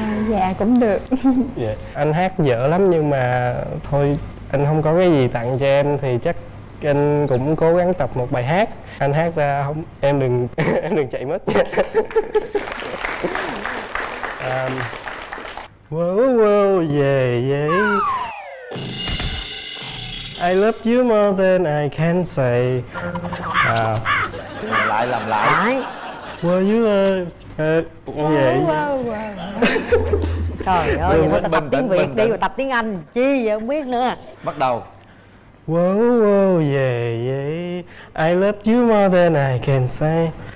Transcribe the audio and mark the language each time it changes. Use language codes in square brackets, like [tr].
[vi] Dạ cũng được. Dạ. Anh hát dở lắm nhưng mà thôi, anh không có cái gì tặng cho em thì chắc anh cũng cố gắng tập một bài hát. Anh hát ra không, em đừng đừng chạy mất. [en] Wow wow yeah yeah, I love you more than I can say. [vi] Làm lại. Wow you ơi. Wow. Trời ơi, giờ ta tập tiếng Việt đi rồi tập tiếng Anh chi vậy không biết nữa. Bắt đầu. [en] Wow wow yeah yeah, I love you more than I can say.